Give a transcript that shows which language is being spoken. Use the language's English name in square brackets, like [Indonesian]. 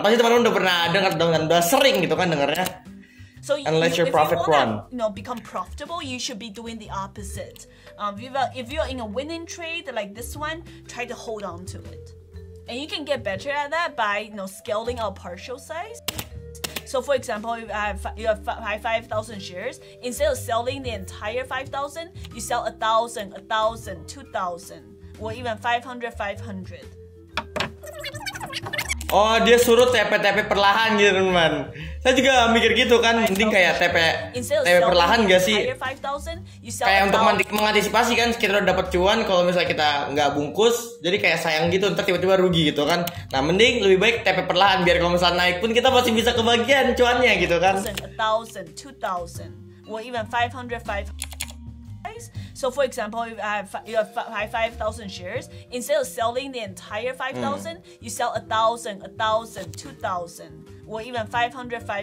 [Indonesian] Pasti teman-teman udah pernah dengar dong, udah sering gitu kan dengarnya. [English] So and let your profit you wanna, run. You know, become profitable, you should be doing the opposite. If you're in a winning trade like this one, try to hold on to it. And you can get better at that by, you know, scaling out partial size. So for example, if you have 5,000 shares, instead of selling the entire 5,000, you sell 1,000, 1,000, 2,000, or even 500-500. [Indonesian] Oh, dia suruh tepe-tepe perlahan gitu, teman-teman. Saya juga mikir gitu kan, mending kayak tepe perlahan gak sih? Kayak untuk mengantisipasi kan, kita udah dapet cuan, kalau misalnya kita gak bungkus, jadi kayak sayang gitu, ntar tiba-tiba rugi gitu kan. Nah, mending lebih baik tepe perlahan, biar kalau misalnya naik pun kita masih bisa kebagian cuannya gitu kan. [English] 1,000, 2,000, or even 500. So for example, if you have 5,000 shares, instead of selling the entire 5,000, you sell 1,000, 2,000. Or even 500.